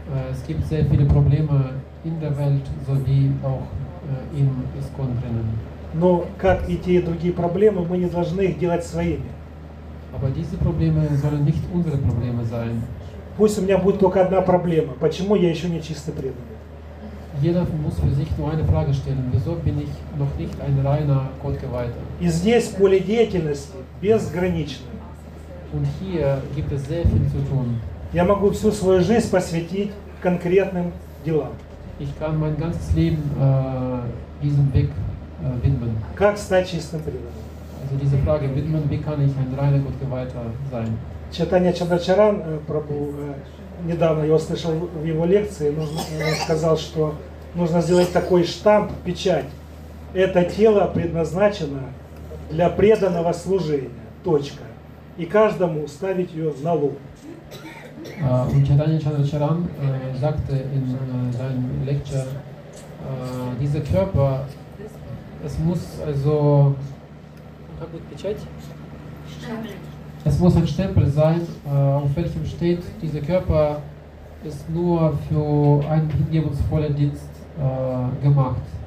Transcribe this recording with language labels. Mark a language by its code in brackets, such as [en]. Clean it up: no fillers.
[de] Es gibt sehr viele Probleme in der Welt sowie auch in ISKCON drinnen. [ru] Но как и те и другие проблемы, мы не должны их делать своими. [de] Aber diese Probleme sollen nicht unsere Probleme sein. [ru] Пусть у меня будет только одна проблема. Почему я еще не чистый преданный? [de] Jeder muss für sich nur eine Frage stellen: Wieso bin ich noch nicht ein reiner Gottgeweihter? [ru] И здесь поле деятельности безграничное. [de] Und hier gibt es sehr viel zu tun. [ru] Я могу всю свою жизнь посвятить конкретным делам. [de] Ich kann mein ganzes Leben diesem Weg widmen. [ru] Как стать чистым преданным? [de] Also diese Frage widmen: Wie kann ich ein reiner Gottgeweihter sein? [ru] Читание Чандрачаран Прабху. Недавно я услышал в его лекции, он сказал, что нужно сделать такой штамп, печать. Это тело предназначено для преданного служения. Точка. И каждому ставить ее на лоб. [de] Und Chaitanya Chandracharan sagte in seinem Lecture, dieser Körper, es muss also... [ru] Как будет печать? [de] Es muss ein Stempel sein, auf welchem steht, dieser Körper ist nur für einen hingebungsvollen Dienst gemacht.